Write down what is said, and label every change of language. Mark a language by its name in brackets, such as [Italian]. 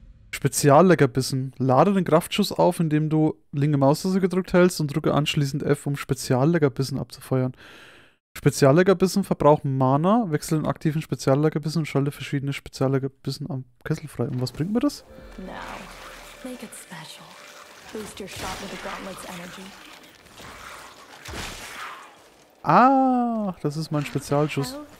[German] Spezialleckerbissen. Lade den Kraftschuss auf, indem du linke Maustaste gedrückt hältst und drücke anschließend F, um Spezialleckerbissen abzufeuern. Spezialleckerbissen verbrauchen Mana, wechsel den aktiven Spezialleckerbissen und schalte verschiedene Spezialleckerbissen am Kessel frei. Und was bringt mir das? [English] Now, make it special. Boost your shot with the gauntlet's energy. [German] Ah, das ist mein Spezialschuss.